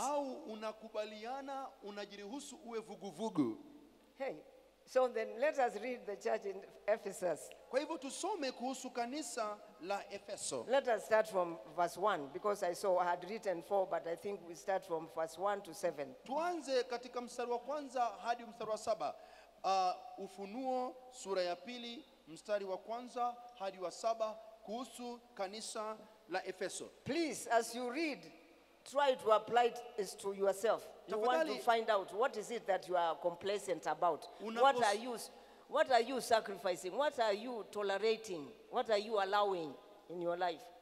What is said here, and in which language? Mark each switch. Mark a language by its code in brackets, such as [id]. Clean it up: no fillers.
[sw] Au unakubaliana, unajiruhusu uwe vuguvugu? [en] Hey, so then let us read the church in Ephesus. [sw] Kwa hivyo tusome kuhusu kanisa la Efeso. [en] Let us start from verse 1 because I saw I had written 4, but I think we start from verse 1 to 7. [sw] Tuanze katika mstari wa kwanza hadi mstari wa 7. Ufunuo sura ya pili mstari wa kwanza hadi wa 7 kuhusu kanisa la Efeso. [en] Please, as you read, try to apply it to yourself. You want to find out what is it that you are complacent about? What are you sacrificing? What are you tolerating? What are you allowing in your life?